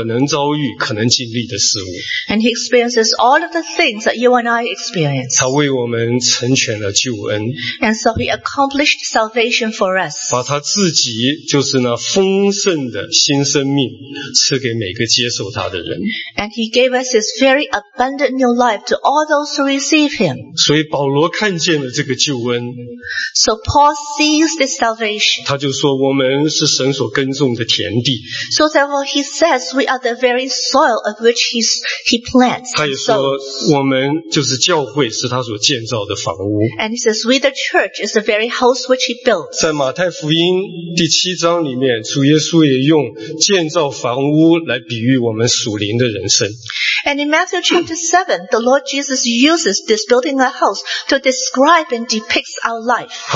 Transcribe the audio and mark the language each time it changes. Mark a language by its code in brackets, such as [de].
[zh] 他经历了你我所有人生可能遭遇、可能经历的事物。 [en] And he experiences all of the things that you and I experience. [zh] 他为我们成全了救恩。 [en] And so he accomplished salvation for us. [zh] 把他自己就是那丰盛的新生命赐给每个接受他的人。 [en] And he gave us his very abundant new life to all those who receive him. [zh] 所以保罗看见了这个救恩。 [en] So Paul sees this salvation. [zh] 他就说我们是神所耕种的田地。 [en] So therefore he says we are the very soil of which he plants. [zh] 他也说我们就是教会是他所建造的房屋。 [en] And he says we the church is the very house which he built. [zh] 在马太福音第七章里面, 主耶稣也用建造房屋来比喻我们属灵的人生。 [en] And in Matthew chapter 7, the Lord Jesus uses this building a house to describe and depict our life.